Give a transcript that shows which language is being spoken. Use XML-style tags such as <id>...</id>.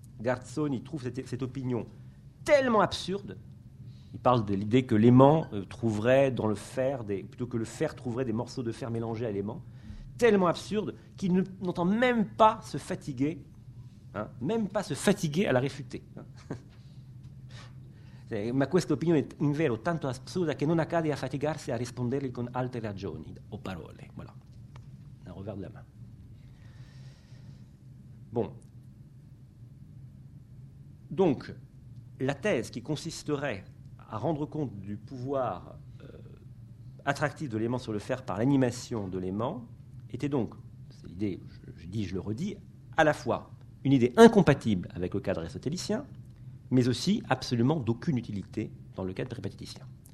<fr>Garzoni trouve cette opinion tellement absurde. Il parle de l'idée que l'aimant trouverait dans le fer, plutôt que le fer trouverait des morceaux de fer mélangés à l'aimant, tellement absurde qu'il n'entend même pas se fatiguer, hein, même pas se fatiguer à la réfuter. Hein.</fr> <it>Ma questa opinione è in vero tanto assurda che non accade a fatigarsi a risponderle con altre ragioni o parole.</it> <fr>Voilà, un revers de la main. Bon, donc la thèse qui consisterait à rendre compte du pouvoir attractif de l'aimant sur le fer par l'animation de l'aimant était donc, c'est l'idée, je le redis, à la fois une idée incompatible avec le cadre aristotélicien, mais aussi absolument d'aucune utilité dans le cadre péripatéticien.</fr>